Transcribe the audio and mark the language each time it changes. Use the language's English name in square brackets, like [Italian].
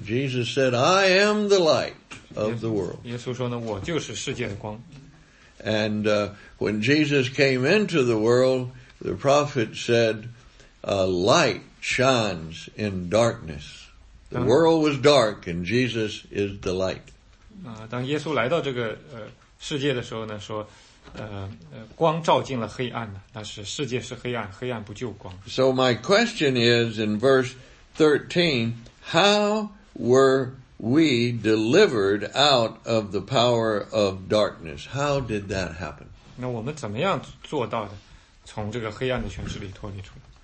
[English] Jesus said, "I am the light of the world." [Chinese] 耶稣说呢，我就是世界的光。 [English] And when Jesus came into the world, the prophet said, light shines in darkness. The world was dark, and Jesus is the light. [Chinese] 当耶稣来到这个世界的时候呢，说光照进了黑暗，但是世界是黑暗，黑暗不救光。 [English] So my question is, in verse 13, how were we delivered out of the power of darkness. How did that happen? [Chinese] 那我们怎么样做到的？从这个黑暗的权势里脱离出来。